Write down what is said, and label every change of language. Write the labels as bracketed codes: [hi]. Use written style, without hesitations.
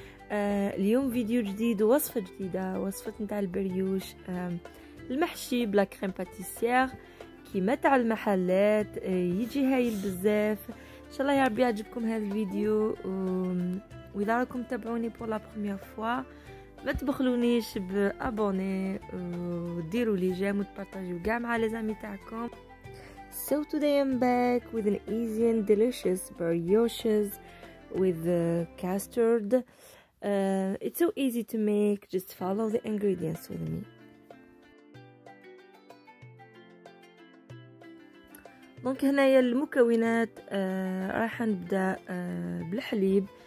[ar] اليوم فيديو جديد ووصفه جديده, وصفه نتاع البريوش, المحشي بلا كريم باتيسير كيما تاع المحلات. يجي هايل بزاف. ان شاء الله يا ربي يعجبكم هذا الفيديو, واذا راكم تابعوني [fr] بور لا بروميير فوا [ar] ما تبخلونيش بابوني وديروا لي جيم وتبارطاجيو كاع مع [fr] لي زامي [ar] تاعكم. [en] So today I'm back with an easy and delicious brioches with custard. It's so easy to make, just follow the ingredients with me. [ar] دونك هنايا المكونات, راح نبدا بالحليب.